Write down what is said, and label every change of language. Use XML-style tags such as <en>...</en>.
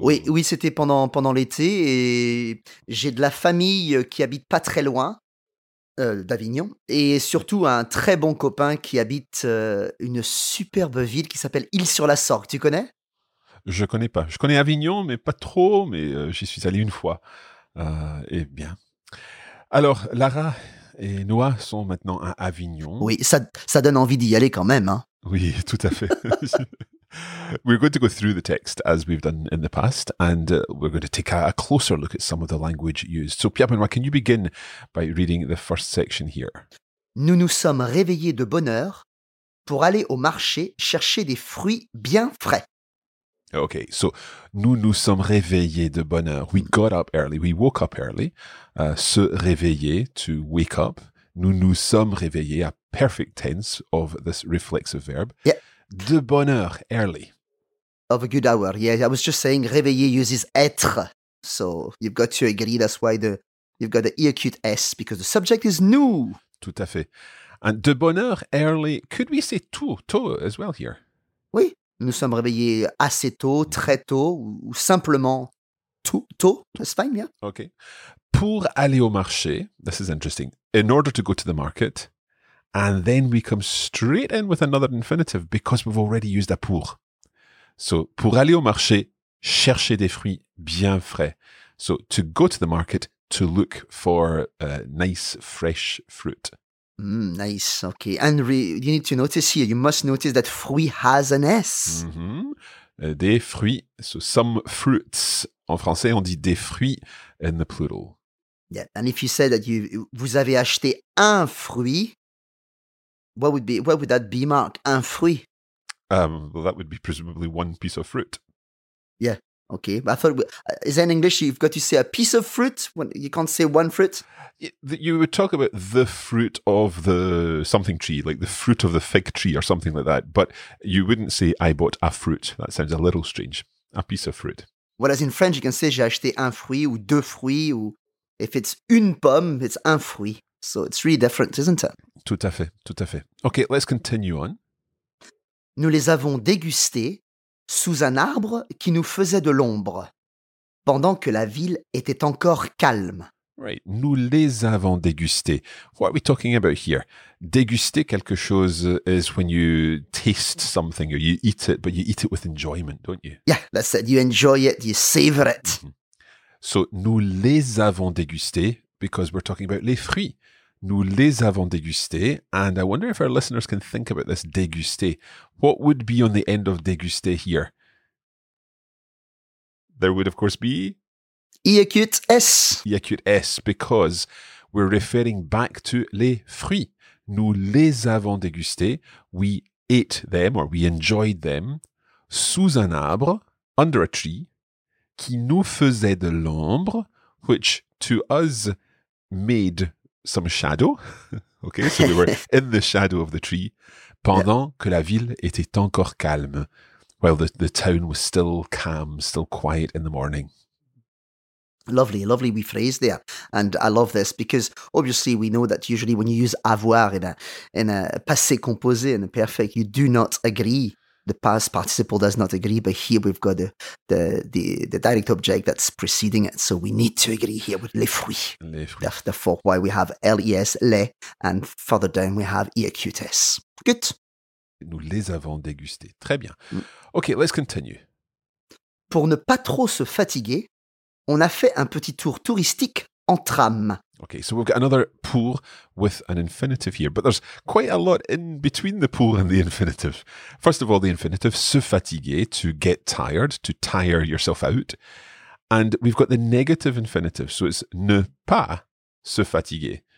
<fr>Oui, c'était pendant l'été et j'ai de la famille qui habite pas très loin d'Avignon et surtout un très bon copain qui habite une superbe ville qui s'appelle Isle-sur-la-Sorgue. Tu connais ? Je connais pas. Je connais Avignon, mais pas trop, mais j'y suis allé une fois. Eh bien, alors Lara et Noah sont maintenant à Avignon. Oui, ça donne envie d'y aller quand même, hein. Oui, tout à fait.</fr> <en>We're going to go through the text as we've done in the past, and we're going to take a closer look at some of the language used. So Pierre-Benoît, can you begin by reading the first section here?</en> <fr>Nous nous sommes réveillés de bonne heure pour aller au marché chercher des fruits bien frais.</fr> <en>Okay, so</en> <fr>nous nous sommes réveillés de bonne heure.</fr> <en>We got up early. We woke up early. Se réveiller, to wake up.</en> <fr>Nous nous sommes réveillés,</fr> <en>a perfect tense of this reflexive verb. Yeah. De bonne heure, early. Of a good hour, yeah. I was just saying réveiller uses être. So you've got to agree. That's why you've got the E acute S because the subject is nous.</en> <fr>Tout à fait.</fr> <en>And</en> <fr>de bonne heure, early.</fr> <en>Could we say tôt as well here?</en> <fr>Oui. Nous sommes réveillés assez tôt, très tôt, ou simplement tôt,</fr> <en>that's fine, yeah. Okay.</en> <fr>Pour aller au marché,</fr> <en>this is interesting, in order to go to the market, and then we come straight in with another infinitive because we've already used a pour. So, pour aller au marché,</en> <fr>chercher des fruits bien frais.</fr> <en>So, to go to the market to look for nice, fresh fruit. Mm, nice, okay. And you need to notice here, you must notice that fruit has an S. Mm-hmm. Des fruits, so some fruits.</en> <fr>En français, on dit des fruits</fr> <en>in the plural. Yeah, and if you said that</en> <fr>vous avez acheté un fruit,</fr> <en>what would that be, Mark?</en> <fr>Un fruit?</fr> <en>Well, that would be presumably one piece of fruit. Yeah, okay. But I thought, is that in English, you've got to say a piece of fruit? You can't say one fruit? You would talk about the fruit of the something tree, like the fruit of the fig tree or something like that. But you wouldn't say, I bought a fruit. That sounds a little strange. A piece of fruit. Well, as in French, you can say,</en> <fr>j'ai acheté un fruit ou deux fruits.</fr> <en>Ou if it's une pomme, it's un fruit. So it's really different, isn't it?</en> <fr>Tout à fait, tout à fait.</fr> <en>Okay, let's continue on.</en> <fr>Nous les avons dégustés sous un arbre qui nous faisait de l'ombre, pendant que la ville était encore calme. Right, nous les avons dégustés.</fr> <en>What are we talking about here?</en> <fr>Déguster quelque chose</fr> <en>is when you taste something or you eat it, but you eat it with enjoyment, don't you? Yeah, that's it. You enjoy it, you savor it. Mm-hmm. So, nous les avons dégustés because we're talking about les fruits. Nous les avons dégustés, and I wonder if our listeners can think about this, déguster. What would be on the end of déguster here? There would, of course, be... I-acute-S. I-acute-S, because we're referring back to les fruits.</en> <fr>Nous les avons dégustés.</fr> <en>We ate them, or we enjoyed them, sous un arbre, under a tree,</en> <fr>qui nous faisait de l'ombre,</fr> <en>which to us made... some shadow, okay, so we were in the shadow of the tree,</en> <fr>pendant que la ville était encore calme,</fr> <en>while the town was still calm, still quiet in the morning. Lovely, lovely wee phrase there. And I love this because obviously we know that usually when you use avoir in a passé composé, in a perfect, you do not agree. The past participle does not agree, but here we've got the direct object that's preceding it. So we need to agree here with les fruits.</en> <fr>Les fruits.</fr> <en>Therefore, why we have L-E-S, les, and further down we have I-A-Q-T-S. Good.</en> <fr>Nous les avons dégustés. Très bien.</fr> <en>Okay, let's continue.</en> <fr>Pour ne pas trop se fatiguer, on a fait un petit tour touristique en tram.</fr> <en>Okay, so we've got another pour with an infinitive here, but there's quite a lot in between the pour and the infinitive. First of all, the infinitive, se fatiguer, to get tired, to tire yourself out. And we've got the negative infinitive, so it's</en> <fr>ne pas se fatiguer.</fr>